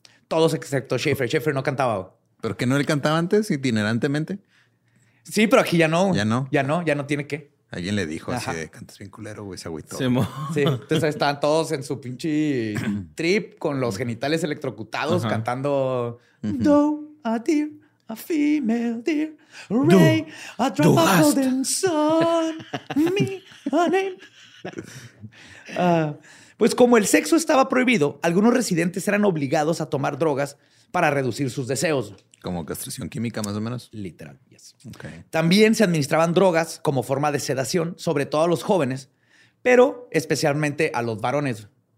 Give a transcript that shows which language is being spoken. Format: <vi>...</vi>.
<es>Todos excepto Schaefer. Schaefer no cantaba. ¿Pero que no él cantaba antes itinerantemente? Sí, pero aquí ya no. Ya no. Ya no, ya no tiene que. Alguien le dijo así de, cantas bien culero, güey, se agüitó. Sí, entonces ahí estaban todos en su pinche trip con los genitales electrocutados cantando...</es> <en>Do a deer, a female deer, Ray, a drop of golden sun, me, a name.</en> <es>Pues como el sexo estaba prohibido, algunos residentes eran obligados a tomar drogas para reducir sus deseos. ¿Como castración química, más o menos? Literal, yes. Okay. También se administraban drogas como forma de sedación, sobre todo a los jóvenes, pero especialmente a los varones.</es>